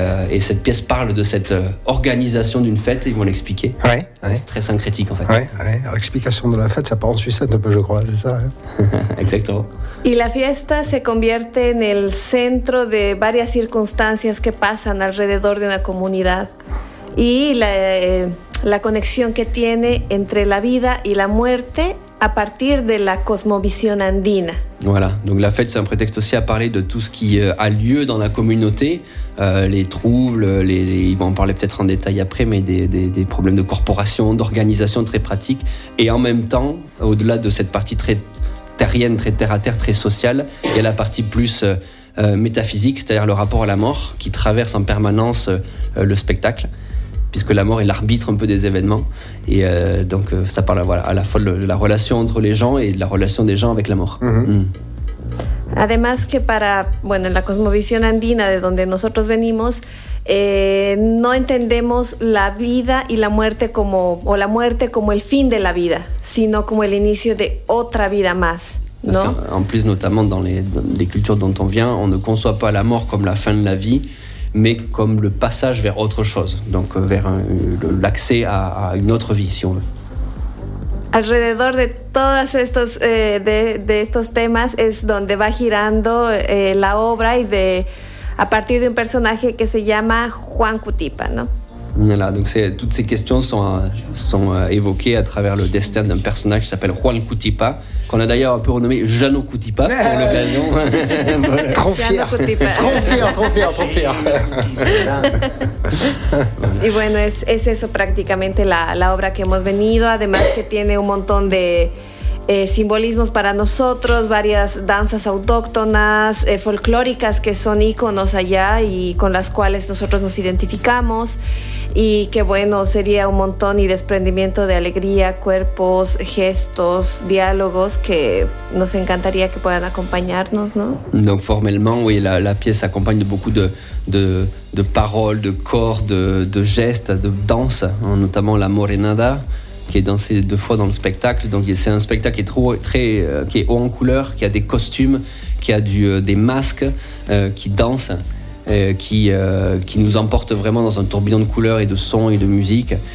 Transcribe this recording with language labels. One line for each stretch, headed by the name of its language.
French: Et cette pièce parle de cette organisation d'une fête, ils vont l'expliquer. Ouais, ouais. C'est très syncrétique en fait. Ouais, ouais. L'explication de la fête, ça part en sucette un peu, je crois, c'est ça. Hein? Exactement.
Spanish: Y la fiesta se convierte en el centro de varias circunstancias que pasan alrededor de una comunidad. Y la conexión que tiene entre la vida y la muerte a partir de la cosmovisión andina.
French: Voilà, donc la fête, c'est un prétexte aussi à parler de tout ce qui a lieu dans la communauté, les troubles, ils vont en parler peut-être en détail après, mais des problèmes de corporation, d'organisation très pratiques. Et en même temps, au-delà de cette partie très terrienne, très terre à terre, très sociale. Il y a la partie plus métaphysique, c'est-à-dire le rapport à la mort qui traverse en permanence le spectacle, puisque la mort est l'arbitre un peu des événements. Et donc ça parle voilà, à la fois de la relation entre les gens et de la relation des gens avec la mort. Mm-hmm. Mm.
Spanish: Además que para, bueno, en la cosmovisión andina de donde nosotros venimos, no entendemos la vida y la muerte como, o la muerte como el fin de la vida, sino como el inicio de otra vida más, ¿no?
French: Parce qu'en plus, notamment dans les cultures dont on vient, on ne conçoit pas la mort comme la fin de la vie, mais comme le passage vers autre chose, donc vers l'accès à une autre vie, si on veut.
Spanish: Alrededor de todos estos de estos temas es donde va girando la obra y de a partir de un personaje que se llama Juan Cutipa, ¿no?
French: Voilà, donc toutes ces questions sont évoquées à travers le destin d'un personnage qui s'appelle Juan Cutipa, qu'on a d'ailleurs un peu renommé Jeannot Cutipa pour l'occasion. trop fier.
Spanish: Y bueno, es eso prácticamente la obra que hemos venido, además que tiene un montón de simbolismos para nosotros, varias danzas autóctonas, folclóricas que son íconos allá y con las cuales nosotros nos identificamos. Y que bueno, sería un montón y desprendimiento de alegría, cuerpos, gestos, diálogos que nos encantaría que puedan acompañarnos, ¿no?
French: Donc formellement, oui, la pièce accompagne de beaucoup de paroles, de corps, de gestes, de danse, hein, notamment la morenada, qui est dansé deux fois dans le spectacle. Donc c'est un spectacle qui est qui est haut en couleur, qui a des costumes, qui a des masques, qui danse, qui nous emporte vraiment dans un tourbillon de couleurs et de sons et de musique.